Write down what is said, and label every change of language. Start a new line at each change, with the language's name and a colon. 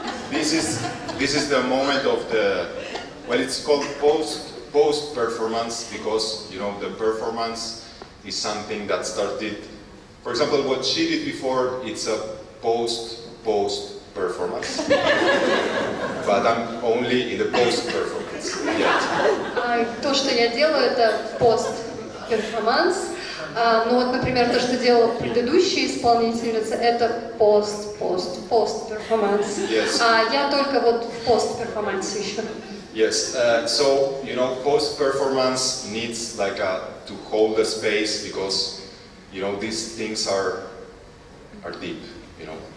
English: This is the moment of the, well, it's called post-performance, because, you know, the performance is something that started. For example, what she did before, it's a post-performance. But I'm only in the post-performance yet.
Russian: То, что я делаю, это пост-перформанс. Ну вот, например, то, что делала предыдущая исполнительница, это пост-перформанс.
English: Yes.
Russian: А я только вот в пост-перформансе еще.
English: Yes, so, you know, post-performance needs like to hold the space, because, you know, these things are deep, you know.